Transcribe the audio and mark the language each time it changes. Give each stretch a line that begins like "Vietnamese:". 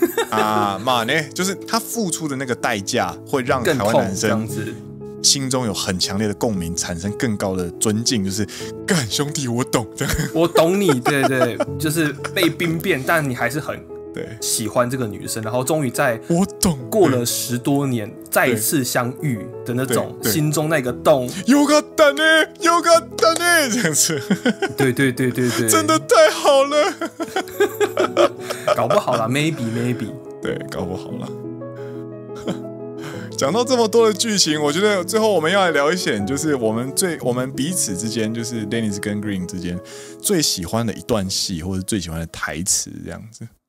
Chinese: 啊，嘛呢，就是他付出的那个代价会让台湾男生心中有很强烈的共鸣，产生更高的尊敬，就是干兄弟我懂，我懂你，对对，就是被兵变，但你还是很对，喜欢这个女生，然后终于在我懂过了十多年再次相遇的那种心中那个洞。
Japanese: よかったね、よかったね，
Chinese: 这样子。对对对对对，真的太好了。搞不好了 ，
English: maybe maybe。
Chinese: 对，搞不好了。讲到这么多的剧情，我觉得最后我们要来聊一些，就是我们彼此之间，就是 Dennis 跟 Green 之间最喜欢的一段戏，或者最喜欢的台词这样子。